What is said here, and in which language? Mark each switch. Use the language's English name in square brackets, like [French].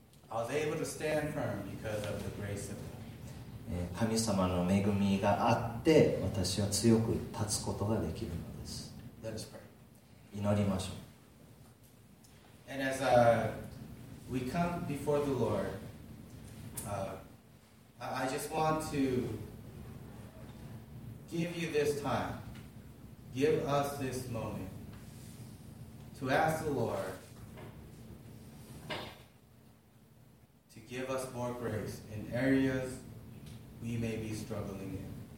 [English] I was able to stand firm because of the grace of God. [Japanese] 神様の恵みがあって私は強く立つことができるのです。 [English] Let us pray. [Japanese] 祈りましょう。 [English] And as we come before the Lord, I just want toGive you this time, give us this moment to ask the Lord to give us more grace in areas we may be struggling in.